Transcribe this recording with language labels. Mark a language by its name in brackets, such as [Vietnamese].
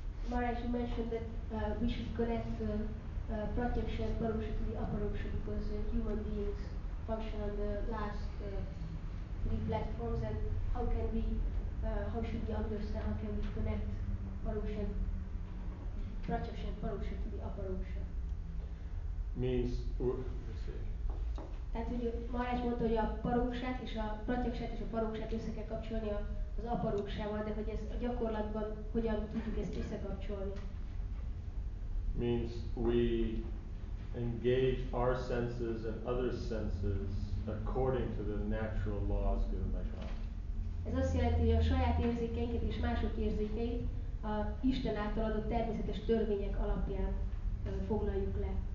[English] Maharaj, you mentioned that we should connect pratyaksha and paroksha to the aparoksha because human beings function on the last three platforms, and how can we, how should we understand, how can we connect pratyaksha and paroksha to the aparoksha? Means, let's see. [Hungarian] Tehát, hogy Maharaj mondta, hogy a paroksát és a pratyaksát és a paroksát össze kell kapcsolni a az aparóksával, de hogy ez a gyakorlatban hogyan tudjuk ezt összekapcsolni. [English] Means we engage our senses and other senses according to the natural laws given by God. [Hungarian] Ez azt jelenti, hogy a saját érzékeinket és mások érzékeit a Isten által adott természetes törvények alapján foglaljuk le.